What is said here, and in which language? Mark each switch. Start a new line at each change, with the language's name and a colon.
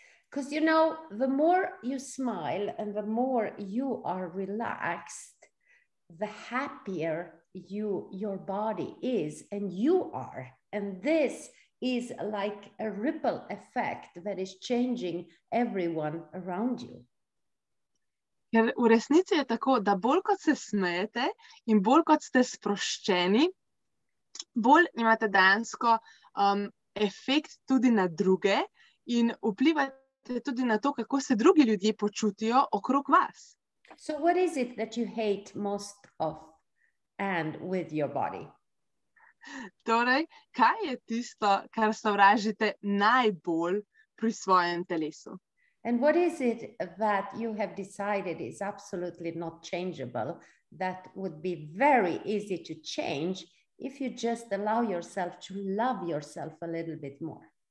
English: Because you know, the more you smile and the more you are relaxed, the happier your body is and you are. And this is like a ripple effect that is changing everyone around you.
Slovenian: Ker v resnici je tako, da bolj kot se smejete in bolj kot ste sproščeni, bolj imate dejansko efekt tudi na druge in vplivate tudi na to, kako se drugi ljudje počutijo okrog vas.
English: So what is it that you hate most of and with your body?
Slovenian: Torej, kaj je tisto, kar sovražite najbolj pri svojem telesu?
English: And what is it that you have decided is absolutely not changeable, that would be very easy to change if you just allow yourself to love yourself a little bit more?